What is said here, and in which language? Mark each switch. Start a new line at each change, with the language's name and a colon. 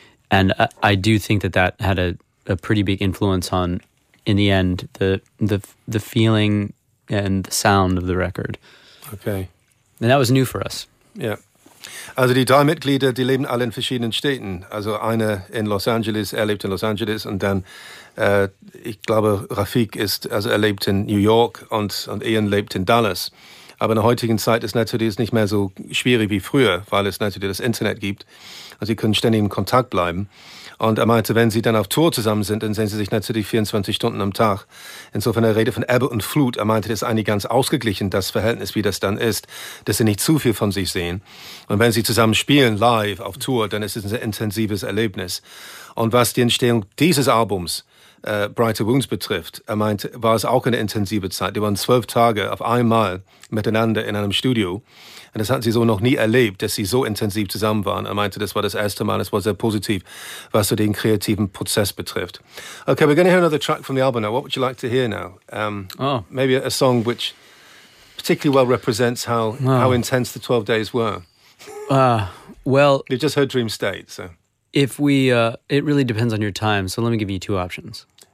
English: And I do think that had a pretty big influence on, in the end, the feeling and the sound of the record. Okay. And that was new for us. Yeah.
German: Also die drei Mitglieder, die leben alle in verschiedenen Städten. Also einer in Los Angeles, er lebt in Los Angeles. Und dann, ich glaube, Rafik ist, also er lebt in New York und Ian lebt in Dallas. Aber in der heutigen Zeit ist natürlich nicht mehr so schwierig wie früher, weil es natürlich das Internet gibt. Und sie können ständig in Kontakt bleiben. Und er meinte, wenn sie dann auf Tour zusammen sind, dann sehen sie sich natürlich 24 Stunden am Tag. Insofern, er redet von Ebbe und Flut. Er meinte, das ist eigentlich ganz ausgeglichen, das Verhältnis, wie das dann ist, dass sie nicht zu viel von sich sehen. Und wenn sie zusammen spielen, live, auf Tour, dann ist es ein sehr intensives Erlebnis. Und was die Entstehung dieses Albums Brighter Wounds betrifft, er meinte, war es auch eine intensive Zeit. Die waren 12 Tage auf einmal miteinander in einem Studio. Und das hatten sie so noch nie erlebt, dass sie so intensiv zusammen waren. Er meinte, das war das erste Mal, das war sehr positiv, was so den kreativen Prozess betrifft.
English: Okay, we're going to hear another track from the album now. What would you like to hear now? Maybe a song which particularly well represents how intense the 12 days were. You've just heard Dream State, so. If we, it really depends on your time, so let me give you two options.